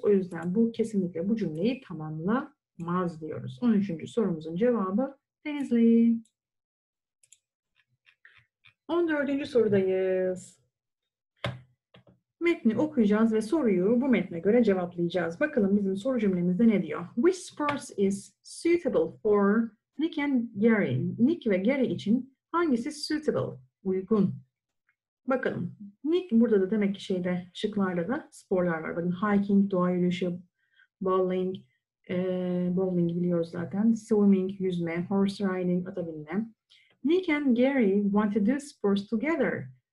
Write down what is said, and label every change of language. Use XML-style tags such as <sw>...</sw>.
<tr>O yüzden bu kesinlikle bu cümleyi tamamlamaz diyoruz. 13. sorumuzun cevabı Denizli. 14. sorudayız. Metni okuyacağız ve soruyu bu metne göre cevaplayacağız. Bakalım bizim soru cümlemizde ne diyor?</tr> <en>Which sports is suitable for Nick and Gary?</en> <tr>Nick ve Gary için hangisi suitable, uygun? Bakalım. Nick burada da demek ki şeyde, şıklarda da sporlar var. Bakın hiking, doğa yürüyüşü, bowling, bowling biliyoruz zaten. Swimming, yüzme, horse riding, ata binme.</tr> <en>Nick and Gary want to do sports together.</en>